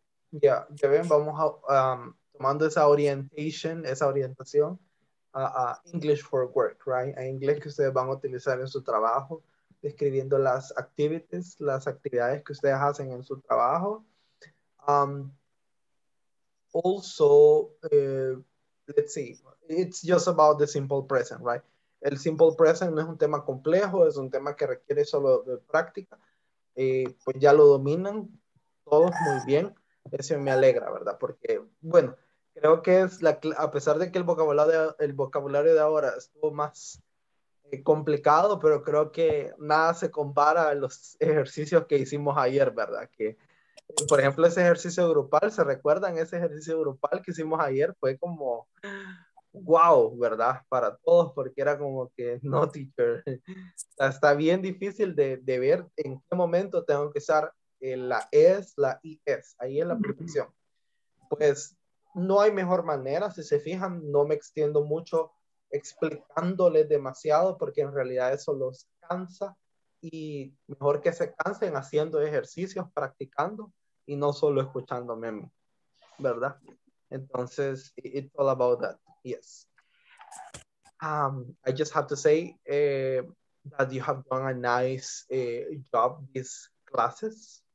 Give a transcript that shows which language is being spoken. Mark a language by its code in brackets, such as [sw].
[es] Yeah, ya ven, vamos a, tomando esa orientación a [en] English for work, right? [es] A inglés que ustedes van a utilizar en su trabajo, describiendo las activities, las actividades que ustedes hacen en su trabajo. [en] Let's see, it's just about the simple present, right? [es] El simple present no es un tema complejo, es un tema que requiere solo de práctica. Pues ya lo dominan todos muy bien. Eso me alegra, ¿verdad? Porque, bueno, creo que es a pesar de que el vocabulario de ahora estuvo más complicado, pero creo que nada se compara a los ejercicios que hicimos ayer, ¿verdad? Que, por ejemplo, ese ejercicio grupal, ¿se recuerdan ese ejercicio grupal que hicimos ayer? Fue como... wow, ¿verdad? Para todos, porque era como que no, teacher. Está bien difícil de ver en qué momento tengo que usar la S, la IS, ahí en la prefección. Pues no hay mejor manera, si se fijan, no me extiendo mucho explicándoles demasiado, porque en realidad eso los cansa y mejor que se cansen haciendo ejercicios, practicando y no solo escuchándome, ¿verdad? Entonces, [en] it's all about that. Yes. I just have to say that you have done a nice job these classes.